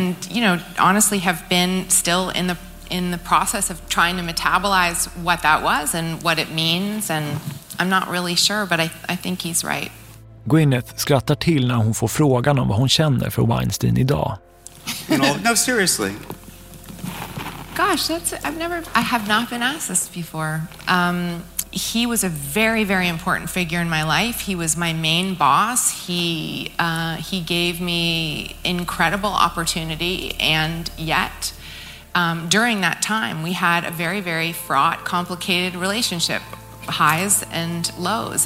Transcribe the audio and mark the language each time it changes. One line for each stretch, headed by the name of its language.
English: you know, honestly have been still in the process of trying to metabolize what that was and what it means, and I'm not really sure, but I think he's right.
Swedish: Gwyneth skrattar till när hon får frågan om vad hon känner för Weinstein idag.
English: No, seriously. Gosh, I have not been asked this before. He was a very, very important figure in my life. He was my main boss. He gave me incredible opportunity, and yet, during that time, we had a very, very fraught, complicated relationship, highs and lows.